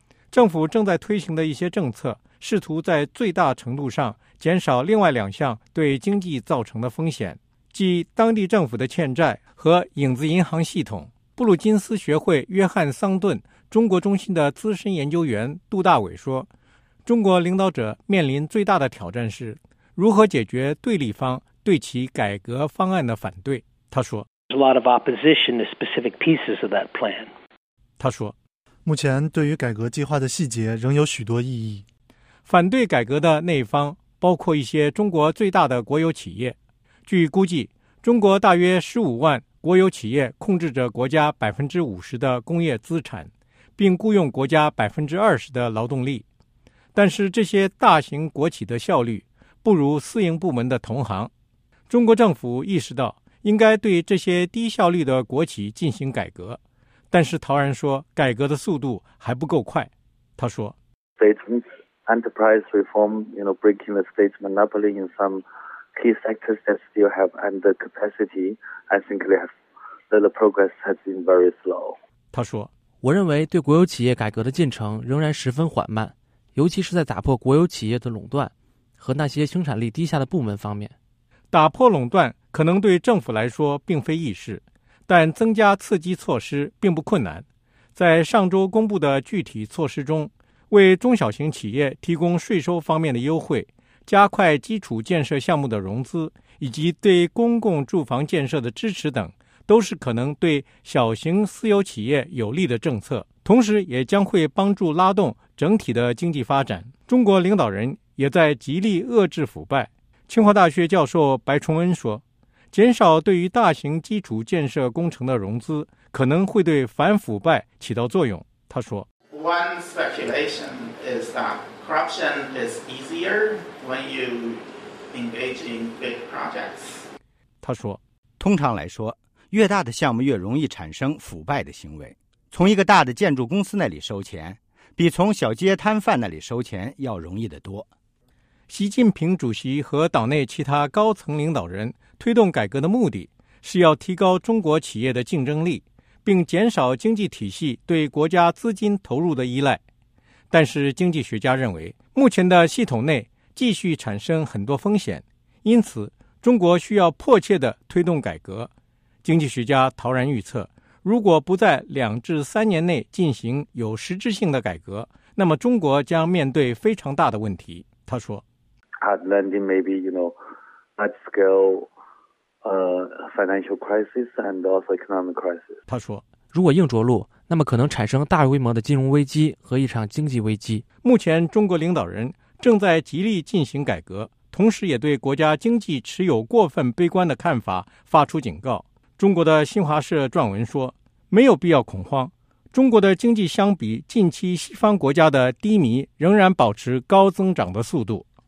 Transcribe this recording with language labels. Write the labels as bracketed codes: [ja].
[zh] 政府正在推行的一些政策，试图在最大程度上减少另外两项对经济造成的风险，即当地政府的欠债和影子银行系统。布鲁金斯学会约翰·桑顿中国中心的资深研究员杜大伟说，中国领导者面临最大的挑战是如何解决对立方对其改革方案的反对。他说 [en] A lot of opposition to specific pieces of that plan. [zh] 他说，目前对于改革计划的细节仍有许多异议。反对改革的那一方包括一些中国最大的国有企业。据估计，中国大约15万国有企业控制着国家 50% 的工业资产，并雇佣国家 20% 的劳动力。但是这些大型国企的效率不如私营部门的同行。中国政府意识到应该对这些低效率的国企进行改革，但是陶然说改革的速度还不够快。他说 [en] State's enterprise reform, you know, breaking the state's monopoly in some key sectors that still have under capacity, I think they have, the progress has been very slow. [zh] 他说，我认为对国有企业改革的进程仍然十分缓慢，尤其是在打破国有企业的垄断和那些生产力低下的部门方面。打破垄断可能对政府来说并非易事，但增加刺激措施并不困难。在上周公布的具体措施中，为中小型企业提供税收方面的优惠，加快基础建设项目的融资，以及对公共住房建设的支持等，都是可能对小型私有企业有利的政策，同时也将会帮助拉动整体的经济发展。中国领导人也在极力遏制腐败。清华大学教授白崇恩说，减少对于大型基础建设工程的融资可能会对反腐败起到作用。他说 [en] One speculation is that corruption is easier when you engage in big projects. [zh] 他说，通常来说，越大的项目越容易产生腐败的行为。从一个大的建筑公司那里收钱比从小街摊贩那里收钱要容易得多。习近平主席和党内其他高层领导人推动改革的目的是要提高中国企业的竞争力，并减少经济体系对国家资金投入的依赖。但是经济学家认为，目前的系统内继续产生很多风险，因此中国需要迫切地推动改革。经济学家陶然预测，如果不在2至3年内进行有实质性的改革，那么中国将面对非常大的问题。他说 [en] Hard landing may be, you know, large scale, financial crisis and also economic crisis. [zh] 他说，如果硬着陆，那么可能产生大规模的金融危机和一场经济危机。目前中国领导人正在极力进行改革，同时也对国家经济持有过分悲观的看法发出警告。中国的新华社撰文说，没有必要恐慌，中国的经济相比近期西方国家的低迷仍然保持高增长的速度。